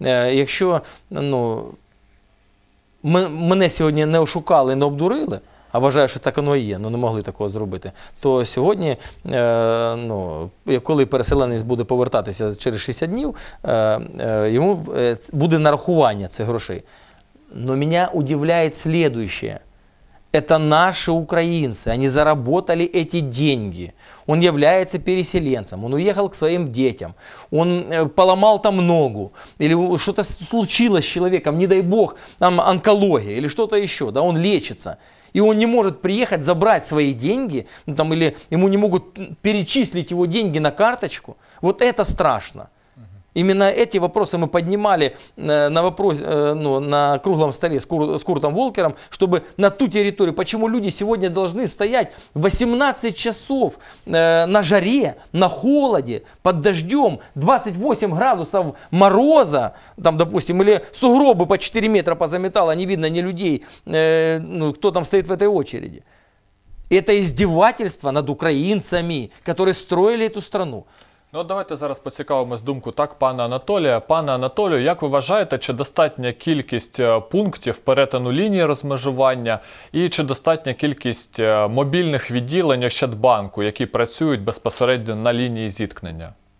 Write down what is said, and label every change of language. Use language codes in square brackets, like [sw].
[uk] Якщо, ну, мене сьогодні не ошукали, не обдурили, а вважаю, що так воно і є, але не могли такого зробити, то сьогодні, ну, коли переселенець буде повертатися через 60 днів, йому буде нарахування цих грошей. [ru] Но [uk] мене удивляє [ru] следующее. Это наши украинцы, они заработали эти деньги. Он является переселенцем, он уехал к своим детям, он поломал там ногу, или что-то случилось с человеком, не дай бог, там онкология или что-то еще, да, он лечится. И он не может приехать забрать свои деньги, ну, там, или ему не могут перечислить его деньги на карточку. Вот это страшно. Именно эти вопросы мы поднимали на вопрос, ну, на круглом столе с Куртом Волкером, чтобы на ту территорию, почему люди сегодня должны стоять 18 часов на жаре, на холоде, под дождем, 28 градусов мороза, там, допустим, или сугробы по 4 метра позаметало, не видно ни людей, ну, кто там стоит в этой очереди. Это издевательство над украинцами, которые строили эту страну. [uk] Ну, давайте зараз поцікавимось думку, так, пана Анатолія. Пане Анатолію, як ви вважаєте, чи достатня кількість пунктів перетину лінії розмежування і чи достатня кількість мобільних відділень Ощадбанку, які працюють безпосередньо на лінії зіткнення?